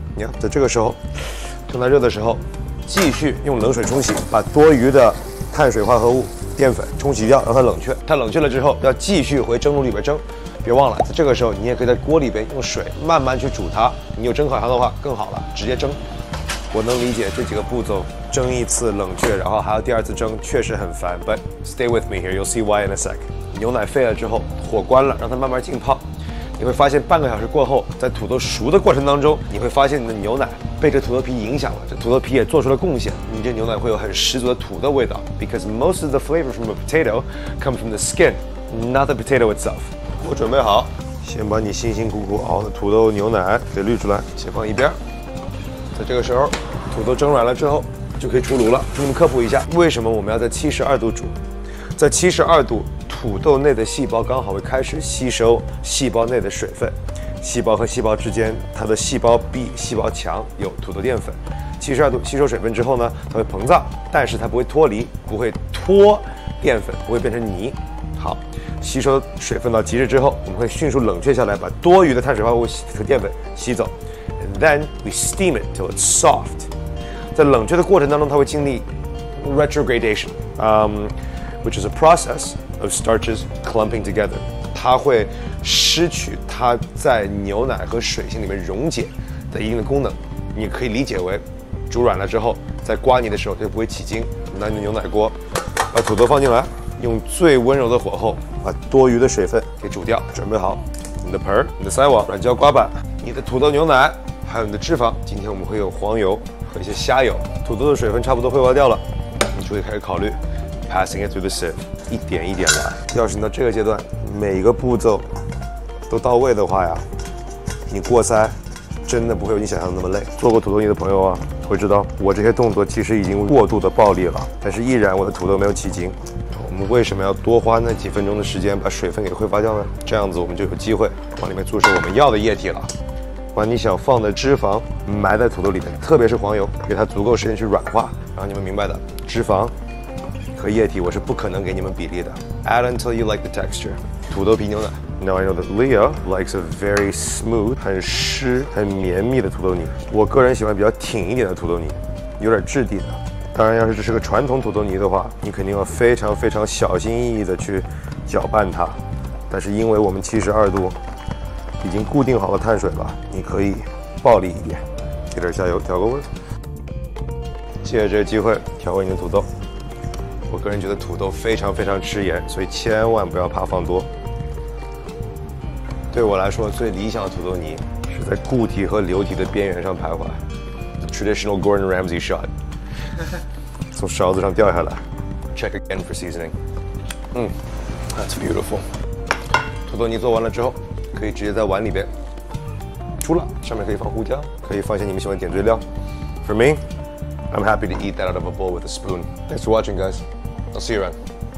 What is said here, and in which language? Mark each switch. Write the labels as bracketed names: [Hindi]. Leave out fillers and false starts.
[Chinese] 你看，在这个时候，趁它热的时候，继续用冷水冲洗，把多余的碳水化合物、淀粉冲洗掉，让它冷却。它冷却了之后，要继续回蒸炉里边蒸。别忘了，在这个时候，你也可以在锅里边用水慢慢去煮它。你有蒸烤箱的话更好了，直接蒸。我能理解这几个步骤，蒸一次冷却，然后还要第二次蒸，确实很烦。 [English] But stay with me here, you'll see why in a sec. [Chinese] 牛奶沸了之后，火关了，让它慢慢浸泡。你会发现半个小时过后，在土豆熟的过程当中，你会发现你的牛奶被这土豆皮影响了，这土豆皮也做出了贡献，你这牛奶会有很十足的土豆味道。 [English] Because most of the flavor from a potato come from the skin, not the potato itself. [Chinese] 我准备好，先把你辛辛苦苦熬的土豆牛奶给滤出来，先放一边。在这个时候，土豆蒸软了之后就可以出炉了。给你们科普一下，为什么我们要在72度煮。在72度，土豆内的细胞刚好会开始吸收细胞内的水分，细胞和细胞之间，它的细胞壁、细胞墙有土豆淀粉。 72度吸收水分之后呢，它会膨胀，但是它不会脱离，不会脱淀粉，不会变成泥。好，吸收水分到极致之后，我们会迅速冷却下来，把多余的碳水化合物和淀粉吸走。 [English] And then we steam it till it's soft. [Chinese] 在冷却的过程当中，它会经历 [English] retrogradation, which is a process. Of starches clumping together, [Chinese] 它会失去它在牛奶和水性里面溶解的一定的功能。你可以理解为，煮软了之后，在刮泥的时候它就不会起筋。拿你的牛奶锅，把土豆放进来，用最温柔的火候把多余的水分给煮掉。准备好你的盆、你的筛网、软胶刮板、你的土豆牛奶，还有你的脂肪。今天我们会用黄油和一些虾油。土豆的水分差不多挥发掉了，你就可以开始考虑。 [English] Passing it through the sieve, [Chinese] 一点一点来。要是你到这个阶段，每一个步骤都到位的话呀，你过筛真的不会有你想象的那么累。做过土豆泥的朋友啊，会知道我这些动作其实已经过度的暴力了，但是依然我的土豆没有起筋。我们为什么要多花那几分钟的时间把水分给挥发掉呢？这样子我们就有机会往里面注射我们要的液体了。把你想放的脂肪埋在土豆里面，特别是黄油，给它足够时间去软化。然后你们明白的，脂肪。和液体我是不可能给你们比例的。 [English] Add until you like the texture. [Chinese] 土豆皮牛奶。 [English] Now I know that Leo likes a very smooth, [Chinese] 很湿、很绵密的土豆泥。我个人喜欢比较挺一点的土豆泥，有点质地的。当然，要是这是个传统土豆泥的话，你肯定要非常非常小心翼翼的去搅拌它。但是因为我们72度已经固定好了碳水了，你可以暴力一点，给点加油，调个味。借这个机会调味你的土豆。我个人觉得土豆非常非常吃盐，所以千万不要怕放多。对我来说，最理想的土豆泥是在固体和流体的边缘上徘徊 ， [English] the traditional Gordon Ramsay shot， [Chinese] 从勺子上掉下来。 [English] Check again for seasoning。 That's beautiful。 [Chinese] 土豆泥做完了之后，可以直接在碗里边出了，上面可以放胡椒，可以放一些你们喜欢点缀料。 [English] For me。I'm happy to eat that out of a bowl with a spoon. Thanks for watching, guys. I'll see you around.